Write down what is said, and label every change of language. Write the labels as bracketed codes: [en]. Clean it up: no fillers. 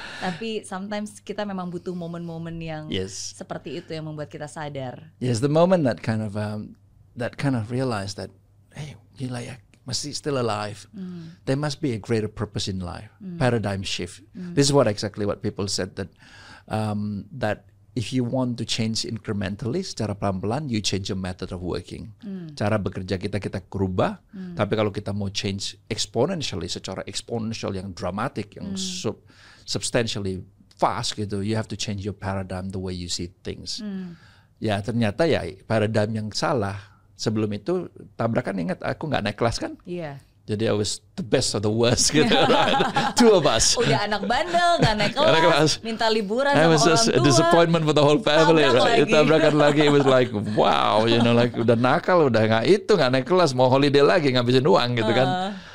[id] Tapi sometimes kita memang butuh momen-momen yang seperti itu yang membuat kita sadar. [en] Yes, the moment that kind of realize that, hey, you like must still alive. There must be a greater purpose in life. Paradigm shift. This is exactly what people said, that that if you want to change incrementally, [id] secara pelan-pelan, [en] you change your method of working. [id] Cara bekerja kita kerubah. Tapi kalau kita mau [en] change exponentially, [id] secara exponential yang [en] dramatic, yang substantially fast gitu, you have to change your paradigm, the way you see things. [id] Ya ternyata ya paradigm yang salah. Sebelum itu tabrakan, ingat aku nggak naik kelas kan? Iya. Yeah. Jadi [en] I was the best or the worst gitu. Right? Two of us. [id] Udah anak bandel, nggak naik kelas, minta liburan sama orang tua. [en] It was a disappointment for the whole family. [id] Tabrakan lagi, [en] it was like wow, you know, like [id] udah nakal, udah nggak itu, nggak naik kelas, mau holiday lagi ngabisin uang gitu kan?